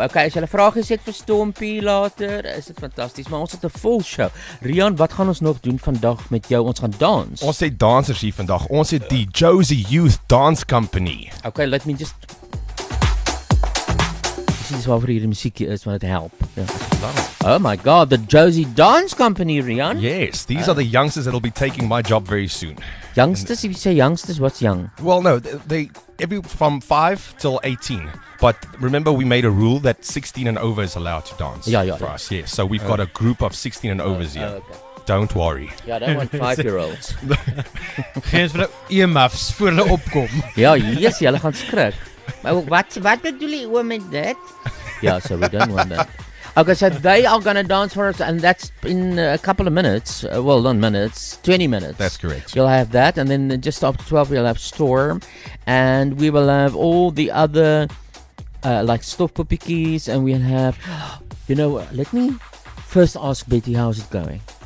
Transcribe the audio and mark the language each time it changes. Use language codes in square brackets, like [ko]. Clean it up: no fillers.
[af] Okay, as julle vrae het vir Stompie later, is dit fantasties, maar ons het 'n vol show. Rian, wat gaan ons nog doen vandag met jou? Ons gaan dans. Ons het dansers hier vandag. Ons het die Josie Youth Dance Company. Okay, [en] let me just [af] dis waar vir hierdie musiekie is, want dit help. [en] Yeah. Oh my god, the Josie Dance Company, Rian. Yes, these are the youngsters that will be taking my job very soon. Youngsters, if you say youngsters, what's young? Well, no, they every from 5 till 18. But remember, we made a rule that 16 and over is allowed to dance for us. Yes. So we've got a group of 16 and overs here. Don't worry. Yeah, 5-year-olds. [af] Earmuffs voor hulle opkom. Ja, yes, hulle gaan skrik. Maar wat bedoel jy oom met dit? [en] Ja, so we don't want that. Okay, so they are going to dance for us, and that's in a couple of minutes. Well, not minutes, 20 minutes. That's correct. You'll have that, and then just after 12, we'll have Storm, and we will have all the other... like stuff puppy keys, and we'll have, you know, let me first ask Betty, how's it going?